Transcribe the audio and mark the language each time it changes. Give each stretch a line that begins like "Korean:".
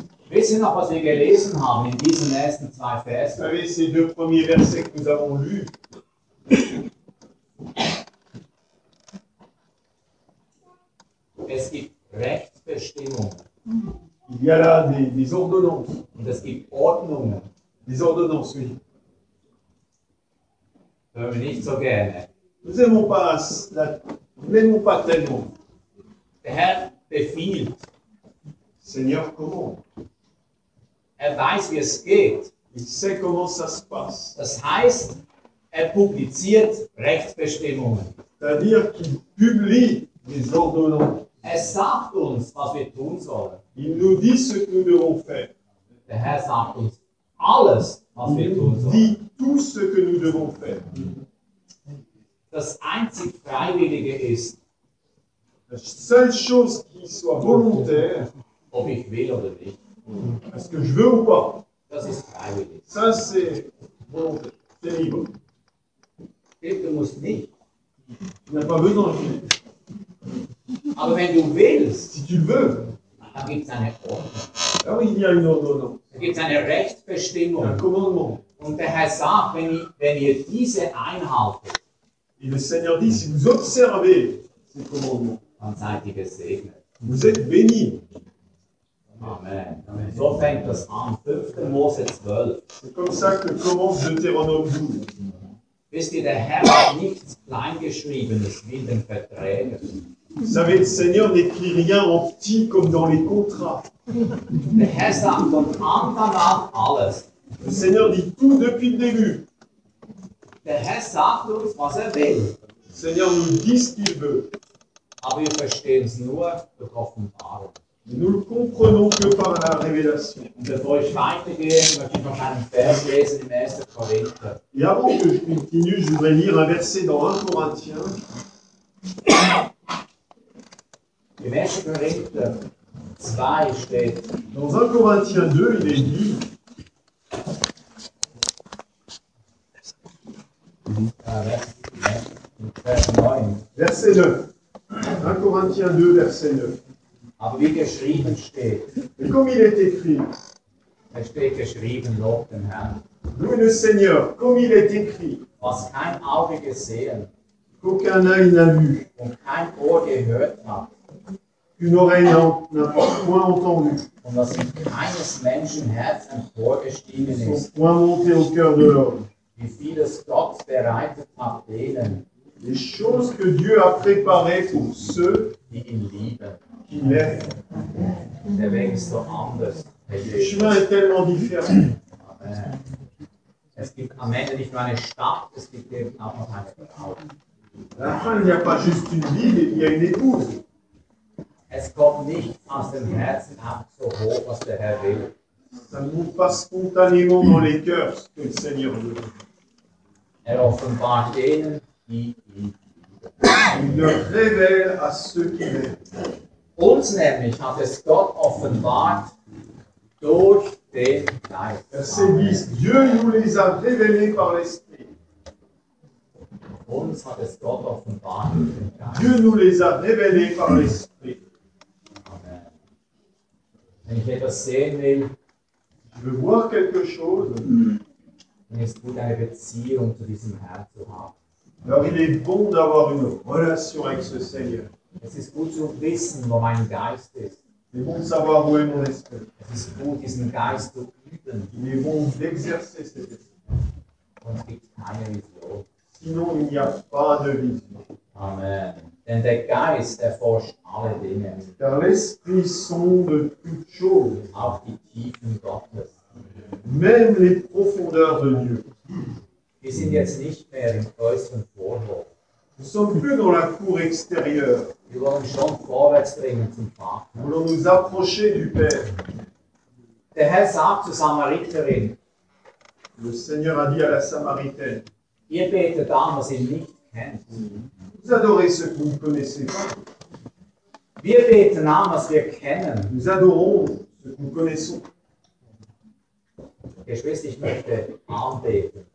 German: Wisst ihr noch, was wir gelesen haben in diesen ersten zwei Versen?
French: Vous savez, ces deux premiers versets que nous avons lus.
German: Es gibt Rechtsbestimmungen.
French: Il y a là des ordonnances.
German: Und es gibt Ordnungen.
French: Des ordonnances, oui.
German: Hören wir nicht so gerne.
French: Nous aimons pas la... N'aimons pas tellement.
German: Der Herr befiehlt.
French: Seigneur, comment?
German: Er weiß, wie es geht.
French: Il sait comment ça se passe.
German: Das heißt, er publiziert Rechtsbestimmungen.
French: C'est-à-dire qu'il publie des ordonnances.
German: Er sagt uns, was wir tun sollen.
French: Il nous dit ce que nous devons faire.
German: Der Herr sagt uns alles, was
French: il
German: wir tun sollen.
French: Dit tout ce que nous devons faire.
German: das einzig Freiwillige ist,
French: la seule chose qui soit volontaire,
German: ob ich will oder nicht,
French: est-ce que je veux ou pas,
German: das ist freiwillig.
French: Ça, c'est volontaire. C'est libre.
German: Du musst nicht.
French: Tu n'as pas besoin de venir.
German: Aber wenn du willst,
French: si tu le veux,
German: dann gibt es eine Ordnung. Ja,
French: il y a une ordonnance.
German: Da gibt es eine Rechtsbestimmung.
French: Un commandement.
German: Und der Herr sagt, wenn ihr diese einhaltet,
French: et le Seigneur dit, si vous observez ces commandements,
German: dann seid ihr gesegnet.
French: Vous êtes béni.
German: Amen. Amen. So fängt das an. 5. Mose 12.
French: C'est comme ça que commence Deutéronome 12.
German: Wisst ihr, der Herr hat nichts Kleingeschriebenes wie den Verträgen.
French: Vous savez, le Seigneur n'écrit rien en petit comme dans les contrats. Le
German: Herr sagt von Anfang an alles.
French: Le Seigneur dit tout depuis le début. Le
German: Herr sagt uns, was er will. Le
French: Seigneur nous dit ce qu'il veut.
German: Aber wir verstehen es nur durch Offenbarung.
French: Nous le comprenons que par la révélation.
German: Und bevor ich weitergehe, möchte ich noch einen Vers lesen im 1. Korinther.
French: Et avant que je continue, je voudrais lire un verset dans 1 Corinthiens.
German: Im 1. Korinther 2 steht.
French: Dans 1 Corinthiens 2, il est dit. Verset 9. 1 Corinthiens 2, verset 9.
German: Aber wie geschrieben steht.
French: Et comme il est écrit.
German: Es steht geschrieben, lob den Herrn.
French: Louis le Seigneur, comme il est écrit.
German: Was kein Auge gesehen.
French: Qu'aucun œil n'a vu.
German: Und kein Ohr gehört hat.
French: Une oreille n'a pas point entendu.
German: Und was in keines Menschen Herz emporgestiegen ist.
French: Point monté au cœur de l'homme.
German: Wie vieles Gott bereitet hat denen.
French: Les choses que Dieu a préparées pour ceux
German: die ihn lieben.
French: Qui l'aiment.
German: Der Weg ist so anders.
French: Le chemin est tellement différent. Amen.
German: Es gibt am Ende nicht nur eine Stadt, es gibt eben auch noch eine Frau.
French: À la fin, il n'y a pas juste une ville, il y a une épouse.
German: Es kommt nicht aus dem Herzen ab, so hoch, was der Herr will.
French: Ça ne monte pas spontanément dans les cœurs, ce que le Seigneur veut.
German: Er offenbart denen, die ihn lieben.
French: Il le révèle à ceux qui l'aiment.
German: Uns nämlich hat es Gott offenbart durch den Geist.
French: Verset 10. Dieu nous les a révélés par l'Esprit.
German: Uns hat es Gott offenbart durch den Geist.
French: Dieu nous les a révélés par l'Esprit. Amen.
German: Wenn ich etwas sehen will,
French: je veux voir quelque chose,
German: dann ist es gut, eine Beziehung zu diesem Herrn zu haben.
French: Alors il est bon d'avoir une relation avec ce Seigneur.
German: Es ist gut zu wissen, wo mein Geist ist.
French: C'est bon de savoir où est mon esprit.
German: Es ist gut, diesen Geist zu üben.
French: Il est bon d'exercer cet esprit.
German: Und es gibt keine Vision.
French: Sinon, il n'y a pas de vision. Amen.
German: Denn der Geist erforscht alle Dinge.
French: Car l'esprit sonde toutes choses.
German: Auch die Tiefen Gottes.
French: Même les profondeurs de Dieu.
German: Wir sind jetzt nicht mehr im äußeren Vorhof.
French: Nous ne sommes plus dans la cour extérieure.
German: Wir wollen schon vorwärts bringen zum Vater.
French: Nous voulons nous approcher du Père.
German: Der Herr sagt zur Samariterin.
French: Le Seigneur a dit à la Samaritaine.
German: Ihr betet an, was ihr nicht kennt.
French: Vous adorez ce que vous ne connaissez pas.
German: Wir beten an, was wir kennen.
French: Nous adorons ce que nous connaissons.
German: Geschwister, ich möchte anbeten.